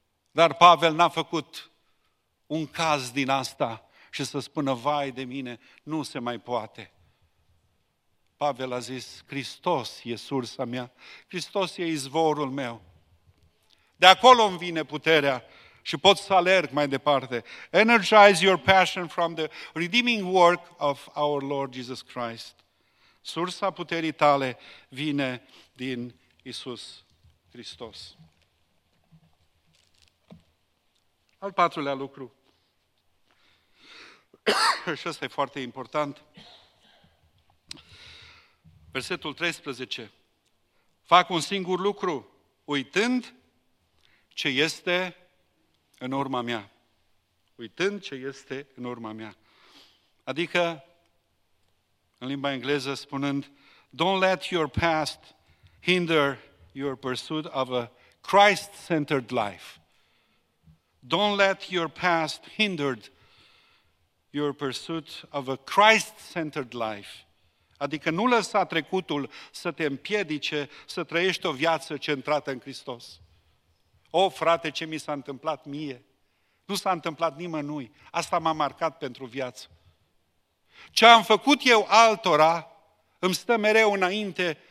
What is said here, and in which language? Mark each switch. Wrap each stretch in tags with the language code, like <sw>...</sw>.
<ro>Dar Pavel n-a făcut un caz din asta și să spună: vai de mine, nu se mai poate. Pavel a zis: Hristos e sursa mea, Hristos e izvorul meu. De acolo îmi vine puterea și pot să alerg mai departe.</ro> <en>Energize your passion from the redeeming work of our Lord Jesus Christ.</en> <ro>Sursa puterii tale vine din Iisus Hristos. Al patrulea lucru. Și asta e foarte important. Versetul 13. Fac un singur lucru, uitând ce este în urma mea. Uitând ce este în urma mea. Adică, în limba engleză spunând:</ro> <en>don't let your past hinder your pursuit of a Christ-centered life. Don't let your past hindered your pursuit of a Christ-centered life.</en> <ro>Adică nu lăsa trecutul să te împiedice să trăiești o viață centrată în Hristos. O, frate, ce mi s-a întâmplat mie? Nu s-a întâmplat nimănui. Asta m-a marcat pentru viață. Ce am făcut eu altora îmi stă mereu înainte.</ro>